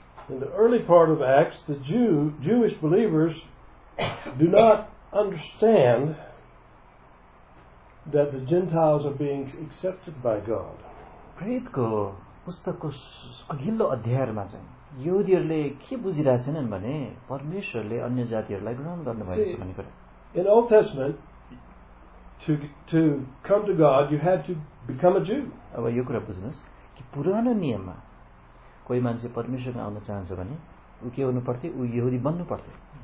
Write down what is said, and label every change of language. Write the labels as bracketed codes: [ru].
[en] In the early part of Acts, the Jewish believers do not understand that the Gentiles are being accepted by God. [ne] प्रेरितको पुस्तकको अघिल्लो अध्यायमा चाहिँ युदीहरूले के बुझिरहेछन् भने परमेश्वरले अन्य जातिहरूलाई ग्रहण गर्नुभएको छ भन्ने कुरा. [en] In Old Testament, to come to God, you had to become a Jew. [ne] अब यो कुरा बुझ्नुहोस् कि पुरानो नियममा कोही मान्छे परमेश्वरमा आउन चाहन्छ भने ऊ के हुनु पर्थ्यो, ऊ यहुदी बन्नु पर्थ्यो,